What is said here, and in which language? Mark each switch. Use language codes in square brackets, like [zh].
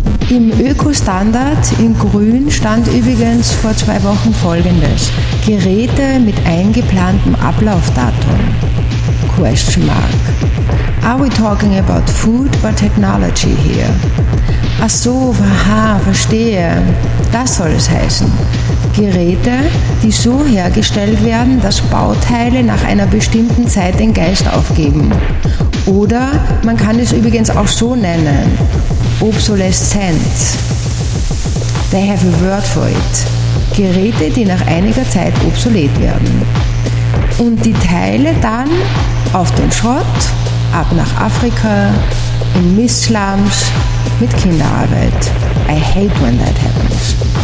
[de] Im Öko-Standard in Grün stand übrigens vor 2 Wochen Folgendes. Geräte mit eingeplantem Ablaufdatum. [en] Question mark. Are we talking about food or technology here? [de] Ach so, aha, verstehe. Das soll es heißen. Geräte, die so hergestellt werden, dass Bauteile nach einer bestimmten Zeit den Geist aufgeben. Oder man kann es übrigens auch so nennen. Obsoleszenz. [en] They have a word for it. [de] Geräte, die nach einiger Zeit obsolet werden. Und die Teile dann auf den Schrott, ab nach Afrika, in Mistslums, mit Kinderarbeit. [en] I hate when that happens.